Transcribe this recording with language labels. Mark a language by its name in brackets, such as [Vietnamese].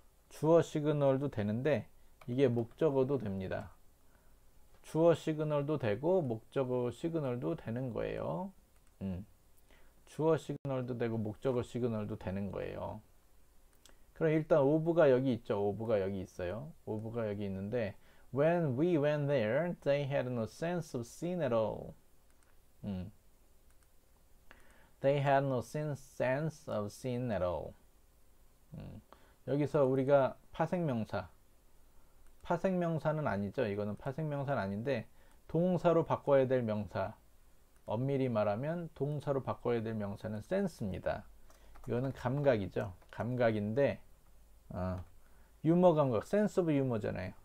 [Korean] 주어 시그널도 되는데 이게 목적어도 됩니다. 주어 시그널도 되고 목적어 시그널도 되는 거예요. 주어 시그널도 되고 목적어 시그널도 되는 거예요. 그럼 일단 오브가 여기 있죠. 오브가 여기 있어요. 오브가 여기 있는데 [English] When we went there, they had no sense of sin at all. They had no sense of sin at all. [Korean] 여기서 우리가 파생명사. 파생명사는 아니죠. 이거는 파생명사는 아닌데 동사로 바꿔야 될 명사. 엄밀히 말하면 동사로 바꿔야 될 명사는 sense입니다. 이거는 감각이죠. 감각인데 유머 감각, [English] sense of humor [Korean] 잖아요.